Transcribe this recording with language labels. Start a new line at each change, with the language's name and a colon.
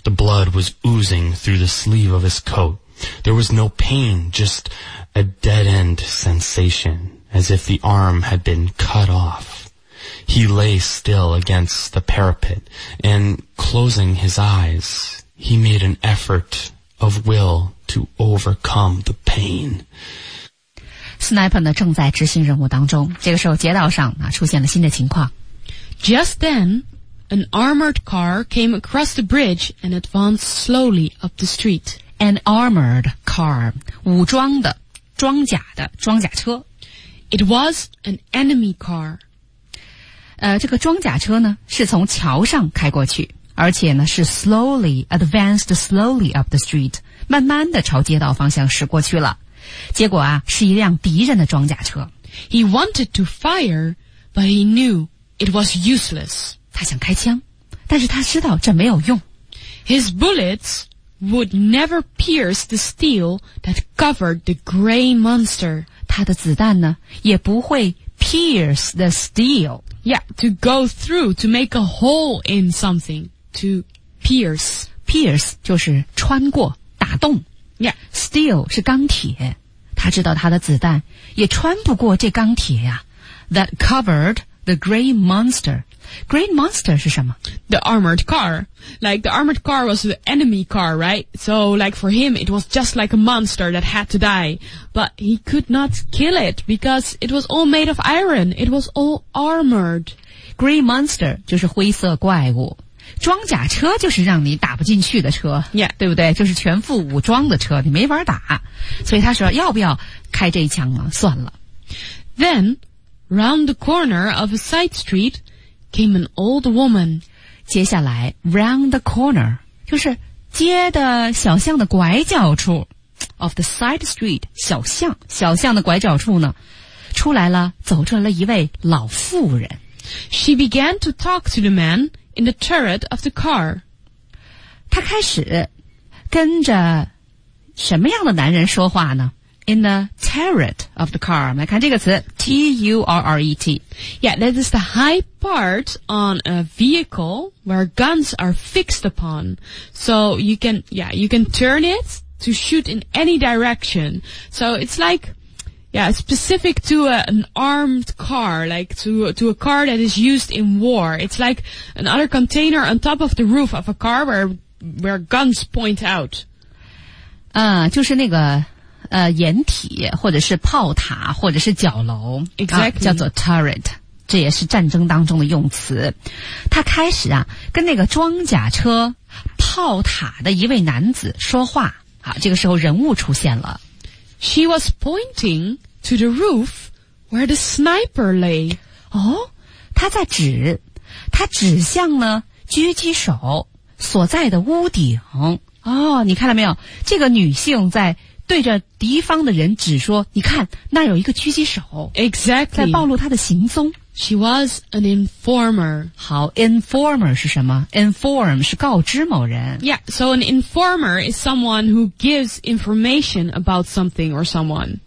English: The blood was oozing through the sleeve of his coat. There was no pain, just a dead-end sensation, as if the arm had been cut off. He lay still against the parapet, and closing his eyes, he made an effort of will to overcome the pain.
Chinese: Sniper 呢正在执行任务当中，这个时候街道上啊出现了新的情况。
English: Just then, an armored car came across the bridge and advanced slowly up the street. An armored car.
Chinese: 武装的,装甲的,装甲车。
English: It was an enemy car.
Chinese: 这个装甲车呢,是从桥上开过去,而且呢,是
English: slowly, advanced slowly up the street,
Chinese: 慢慢地朝街道方向驶过去了。结果啊,是一辆敌人的装甲车。
English: He wanted to fire, but he knew it was useless.
Chinese: 他想开枪,但是他知道这没有用。
English: His bullets... would never pierce the steel that covered the gray monster.
Chinese: 他的子弹呢也不会
English: pierce the steel. Yeah, to go through, to make a hole in something, to pierce.
Chinese: Pierce 就是穿过,打洞。
English: Yeah.
Chinese: Steel 是钢铁。他知道他的子弹也穿不过这钢铁呀。
English: That covered the gray monster. Green monster
Chinese: 是什么?
English: The armored car. Like, the armored car was the enemy car, right? So, like, for him, it was just like a monster that had to die. But he could not kill it, because it was all made of iron. It was all armored. Green monster
Chinese: 就是灰色怪物。装甲车就是让你打不进去的车。
English: Yeah.
Chinese: 对不对? 就是全副武装的车,你没法打。所以他说,要不要开这一枪啊? 算了。
English: Then, round the corner of a side street,came an old woman.
Chinese: 接下来
English: round the corner,
Chinese: 就是街的小巷的拐角处
English: of the side street,
Chinese: 小巷小巷的拐角处呢出来了走出了一位老妇人。
English: She began to talk to the man in the turret of the car.
Chinese: 她开始跟着什么样的男人说话呢
English: in the turret of the car.
Chinese: 来看这个词 T-U-R-R-E-T.
English: Yeah, that is the high part on a vehicle where guns are fixed upon. So you can, yeah, you can turn it to shoot in any direction. So it's like, yeah, specific to an armed car, like to a car that is used in war. It's like another container on top of the roof of a car where guns point out.
Chinese: 就是那个掩体或者是炮塔或者是角楼、
English: exactly.
Chinese: 叫做 turret 这也是战争当中的用词他开始啊跟那个装甲车炮塔的一位男子说话好，这个时候人物出现了
English: She was pointing to the roof where the sniper lay
Chinese: 哦他在指他指向呢狙击手所在的屋顶哦你看到没有这个女性在对着敌方的人指说你看那有一个狙击手
English: Exactly
Chinese: 在暴露他的行踪
English: She was an informer
Chinese: 好 informer 是什么 inform 是告知某人
English: Yeah so an informer is someone who gives information about something or someone